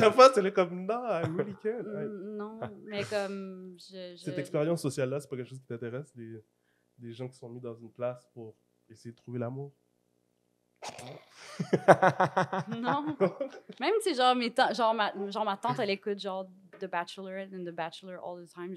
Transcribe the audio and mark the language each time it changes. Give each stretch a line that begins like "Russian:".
French: Sa face, elle est comme, non,
English: I'm really good.
French: Non, mais comme, je... Cette expérience sociale-là, c'est pas quelque chose qui t'intéresse, des gens qui sont mis dans une place pour essayer de trouver l'amour? Non. Même, tu sais, genre, ma tante, elle écoute, genre,
English: The Bachelorette and The Bachelor all the time.